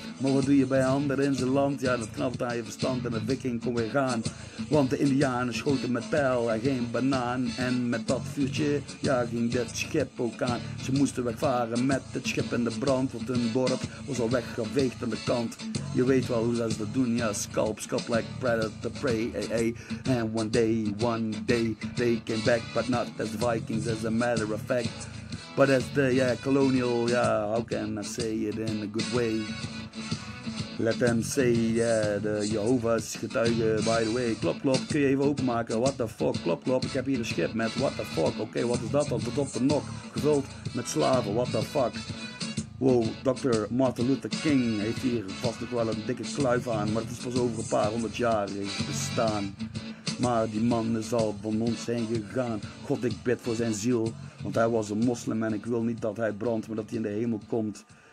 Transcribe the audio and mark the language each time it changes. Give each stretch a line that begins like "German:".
Dutch: Maar wat doe je bij anderen in zijn land? Ja, dat knapt aan je verstand en de Viking kon weer gaan. Want de Indianen schoten met pijl en geen banaan. En met dat vuurtje, ja, ging dit schip ook aan. Ze moesten wegvaren met het schip in de brand, want hun dorp was al weggeveegd aan de kant. Je weet wel hoe ze dat doen, ja,
English: scalp like predator prey,
Dutch: hey.
English: And one day, they came back, but not as Vikings, as a matter of fact. But as the colonial, how can I say it in a good way? Let them say,
Dutch: de Jehovah's getuigen,
English: by the way.
Dutch: Klop, klop, kun je even openmaken,
English: what the fuck?
Dutch: Klop, klop, ik heb hier een schip met
English: what the fuck?
Dutch: Oké, wat is dat dan? Tot op de nok, gevuld met slaven, what the fuck? Wow, Dr. Martin Luther King heeft hier vast nog wel een dikke kluif aan, maar het is pas over een paar honderd jaar bestaan. Maar die man is al van ons heen gegaan. God, ik bid voor zijn ziel, want hij was een moslim en ik wil niet dat hij brandt, maar dat hij in de hemel komt.